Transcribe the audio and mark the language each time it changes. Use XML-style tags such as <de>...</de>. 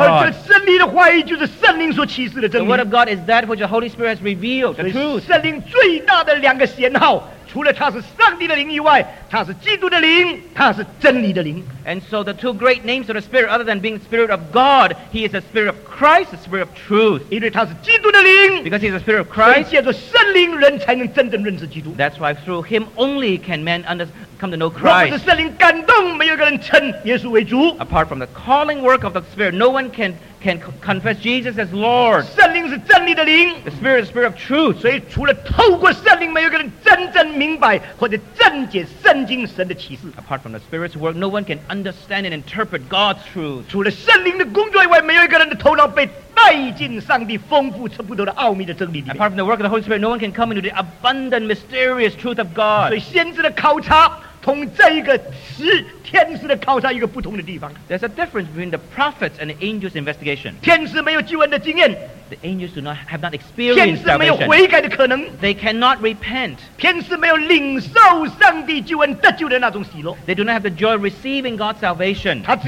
<zh>而这真理的话语就是圣灵所启示的真理。</zh> <en>The word of God is that which the Holy Spirit has revealed, the truth.</en> <zh>圣灵最大的两个显号，除了它是上帝的灵以外，它是基督的灵，它是真理的灵。</zh> <en>And so the two great names of the Spirit, other than being the Spirit of God, He is the Spirit of Christ, the Spirit of Truth. Because He is the Spirit of Christ. That's why through Him only can men come to know Christ. Apart from the calling work of the Spirit, no one can confess Jesus as Lord. The Spirit is the Spirit of Truth.</en> <zh>So, 除了透过圣灵, 没有一个人真正明白, 或者正解圣经神的启示,</zh> <en>apart from the Spirit's work, no one can understand and interpret God's truth.</en> <zh>除了圣灵的工作以外, 没有一个人的头脑被带进上帝丰富差不多的奥秘的真理里面。</zh> <en>Apart from the work of the Holy Spirit, no one can come into the abundant, mysterious truth of God.</en> <zh>所以先知的考察, 同这一个词, 天使的考察,</zh> <en>there's a difference between the prophets and the angels' investigation. The angels have not experienced salvation. They cannot repent. They do not have the joy of receiving God's salvation.</en>